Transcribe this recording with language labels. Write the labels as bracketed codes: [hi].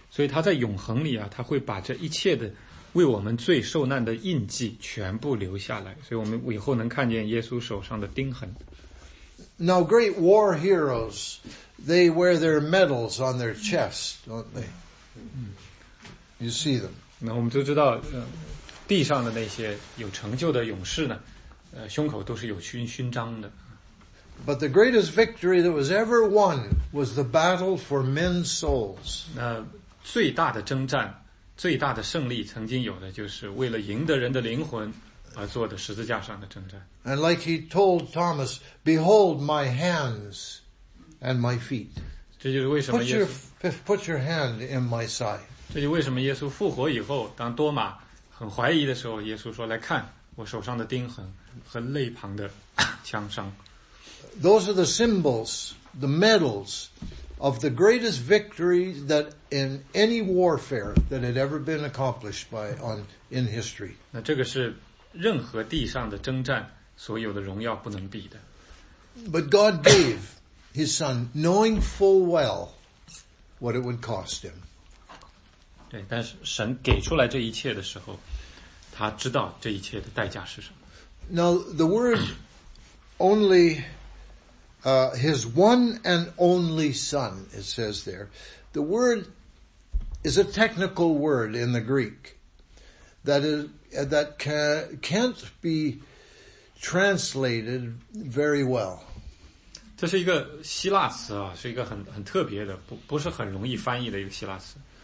[zh] 所以他在永恒里啊，他会把这一切的为我们罪受难的印记全部留下来，所以我们以后能看见耶稣手上的钉痕。 [en] Now great war heroes, they wear their medals on their chest, don't they? You see them. [zh] 那我们就知道，地上的那些有成就的勇士呢，胸口都是有勋章的。 [en] But the greatest victory that was ever won was the battle for men's souls. [zh] 那最大的征战，最大的胜利曾经有的就是为了赢得人的灵魂而做的十字架上的征战。 [en] And like he told Thomas, behold my hands and my feet. [zh] 这就是为什么耶稣 [en] put your hand in my side. [zh] 这就为什么耶稣复活以后，当多马很怀疑的时候，耶稣说，来看我手上的钉痕和肋旁的枪伤。 [en] Those are the symbols, the medals of the greatest victory that in any warfare that had ever been accomplished by on in history. [zh] 那这个是任何地上的征战所有的荣耀不能比的。 [en] But God gave His Son, knowing full well what it would cost Him. [zh] 对，但是神给出来这一切的时候，他知道这一切的代价是什么。 [en] Now the word only. His one and only son, it says there. The word is a technical word in the Greek that can't be translated very well. [zh] 这是一个希腊词啊，是一个很特别的，不是很容易翻译的一个希腊词。